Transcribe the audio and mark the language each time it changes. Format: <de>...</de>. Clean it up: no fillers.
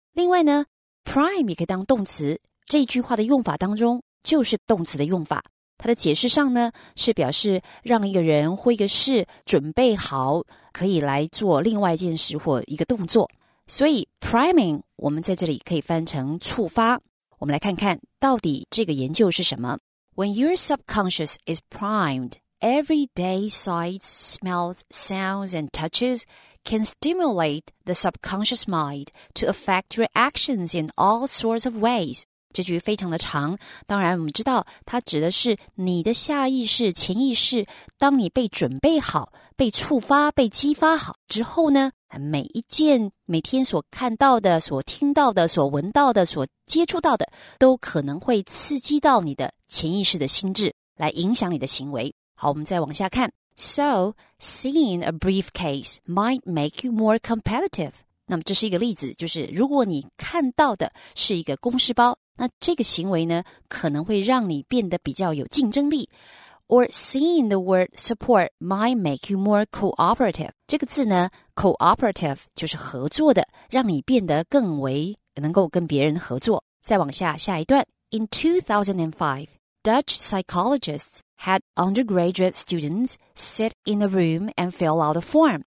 <zh>另外呢 prime 也可以当动词，这一句话的用法当中就是动词的用法。它的解释上呢是表示让一个人或一个事准备好可以来做另外一件事或一个动作。所以 priming 我们在这里可以翻成触发。我们来看看到底这个研究是什么。</zh> <en>When your subconscious is primed, everyday sights, smells, sounds, and touches can stimulate the subconscious mind to affect your actions in all sorts of ways.</en> <zh>这句非常的长，当然我们知道它指的是你的下意识、潜意识，当你被准备好、被触发、被激发好之后呢，每一件每天所看到的、所听到的、所闻到的、所接触到的，都可能会刺激到你的潜意识的心智，来影响你的行为。好，我们再往下看。</zh> <en>So, seeing a briefcase might make you more competitive.</en> <zh>那么这是一个例子，就是如果你看到的是一个公事包，那这个行为呢，可能会让你变得比较有竞争力。</zh> <en>Or seeing the word support might make you more cooperative.</en> <zh>这个字呢 cooperative 就是合作的，让你变得更为能够跟别人合作。再往下，下一段。</zh> <en>In 2005, Dutch psychologists had undergraduate students sit in a room and fill out a form.</en>